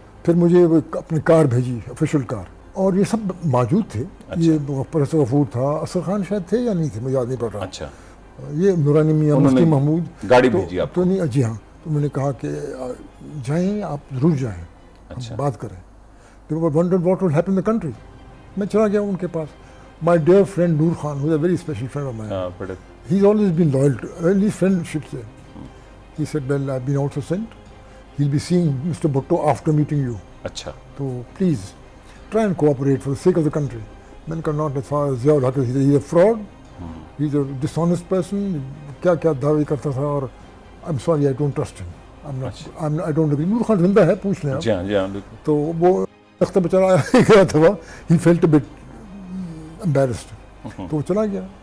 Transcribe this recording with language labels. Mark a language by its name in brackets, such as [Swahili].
[Urdu] پھر مجھے وہ اپنی کار بھیجی, افیشیل کار, اور یہ سب موجود تھے. یہ پروفیسر غفور تھا, اسر خان شاید تھے یا نہیں تھے مجھے یاد نہیں پڑ رہا. اچھا یہ نورانی میاں مفتی محمود گاڑی بھیجی آپ تو نہیں؟ جی ہاں. تو میں نے کہا کہ جائیں آپ, ضرور جائیں, بات کریں. [English] They were wondered what will happen in the country. [Urdu] میں چلا گیا ان کے پاس. [English] My dear friend Noor Khan, who is a very special friend of mine, he is always been loyal to at least friendship سے, he said well I have been also sent, he will be seeing mister Bhutto after meeting you. [Urdu] اچھا [English] تو please try and cooperate for the sake of the country. [Urdu] میں نے کہا [English] not as for fraud, he is a dishonest person, [Urdu] کیا کیا دعوے کرتا تھا, اور [English] I am sorry I don't trust him, I don't agree. [Urdu] نور خان زندہ ہے پوچھ لیں. تو وہ اختر بچارا گیا تھا, [English] he felt a bit embarrassed, [Urdu] تو وہ چلا گیا.